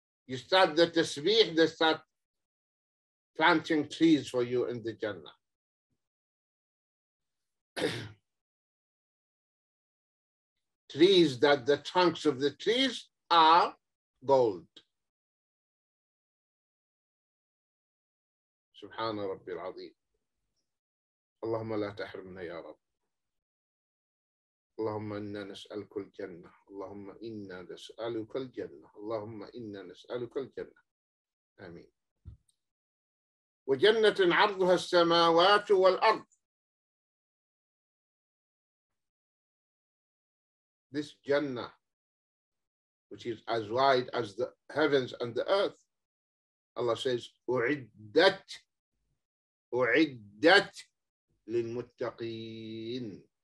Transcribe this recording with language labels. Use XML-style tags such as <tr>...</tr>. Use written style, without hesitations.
<en>You start the tasbih, they start planting trees for you in the Jannah. Trees that the trunks of the trees are gold.</en> <ar>سبحان ربي العظيم اللهم لا تحرمنا يا رب اللهم إنا نسألك الجنة اللهم إنا نسألك الجنة اللهم إنا نسألك الجنة آمين وجنة عرضها السماوات والأرض.</ar> <en>This Jannah, which is as wide as the heavens and the earth, Allah says, "U'iddat, u'iddat lil-muttaqin."</en>